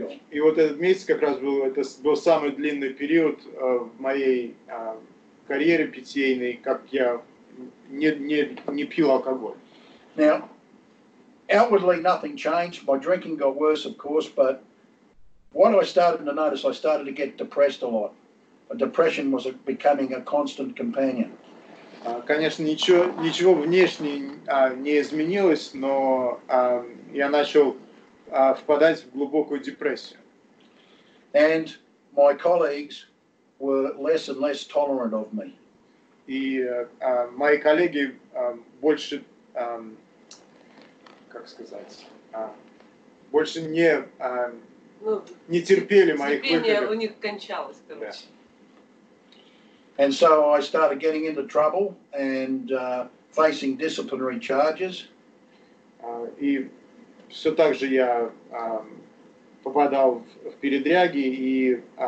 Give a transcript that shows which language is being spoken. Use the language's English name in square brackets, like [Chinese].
[Russian] И вот этот месяц как раз был, это был самый длинный период в моей карьере питейной, как я не пил алкоголь. [English] Now, outwardly nothing changed. My drinking got worse, of course, but what I started to notice, I started to get depressed a lot. Depression was becoming a constant companion. [Russian] Конечно, ничего внешне не изменилось, но я начал впадать в глубокую депрессию. [English] And my colleagues were less and less tolerant of me. [Russian] И мои коллеги больше, как сказать, больше не... не терпели моих выходок. Терпение у них кончалось, короче. [English] Yeah. And so I started getting into trouble and facing disciplinary charges. [Russian] И все так же я попадал в передряги и